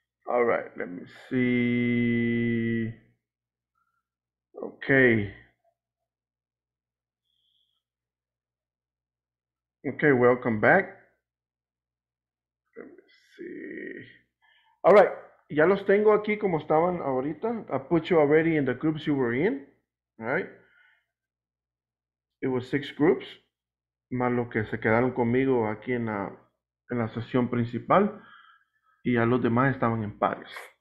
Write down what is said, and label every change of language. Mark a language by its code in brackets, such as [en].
[en] All right, let me see. Okay. Okay, welcome back. Let me see. All right, [es] ya los tengo aquí como estaban ahorita. [en] I put you already in the groups you were in, right? It was 6 groups, [es] más los que se quedaron conmigo aquí en la sesión principal, y a los demás estaban en pares.